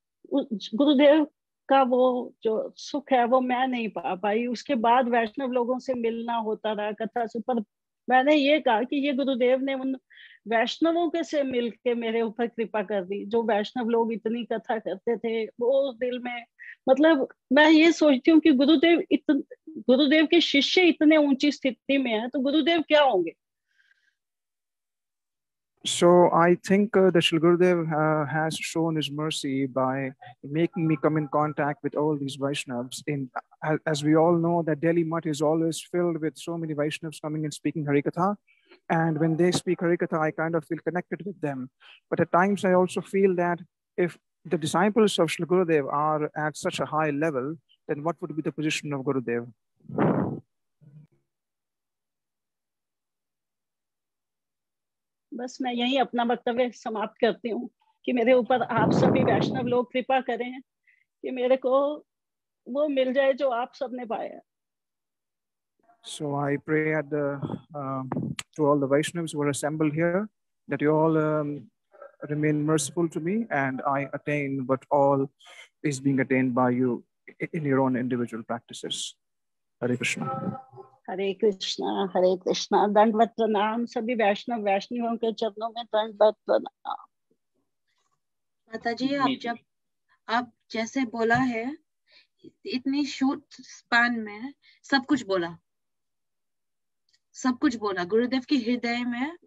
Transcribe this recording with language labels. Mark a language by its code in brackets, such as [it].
[hi] गुरुदेव का वो जो सुख है वो मैं नहीं पा पाई उसके बाद वैष्णव लोगों से मिलना होता रहा कथा से पर मैंने ये कहा कि ये गुरुदेव ने उन वैष्णवों के से मिलके मेरे ऊपर कृपा कर दी जो वैष्णव लोग इतनी कथा करते थे वो दिल में मतलब मैं ये सोचती हूँ कि गुरुदेव गुरुदेव के शिष्य इतने ऊंची स्थिति में हैं तो गुरुदेव क्या होंगे [en] So I think the Shri Gurudev has shown his mercy by making me come in contact with all these Vaishnavs. As we all know that Delhi Math is always filled with so many Vaishnavs coming and speaking Harikatha. And when they speak Harikatha, I kind of feel connected with them. But at times I also feel that if the disciples of Shri Gurudev are at such a high level, then what would be the position of Gurudev? [hi] बस मैं यही अपना वक्तव्य समाप्त करती हूँ कि मेरे ऊपर आप सभी वैष्णव लोग कृपा करें कि मेरे को वो मिल जाए जो आप सबने पाया [en] So I pray at the to all the Vaishnavs who are assembled here that you all remain merciful to me and I attain what all is being attained by you in your own individual practices Hare Krishna [hi] हरे कृष्णा दंडवत प्रणाम सभी वैष्णव वैष्णवों के चरणों में दंडवत प्रणाम माता जी आप जैसे बोला है इतनी शॉर्ट स्पैन में सब कुछ बोला गुरुदेव के हृदय में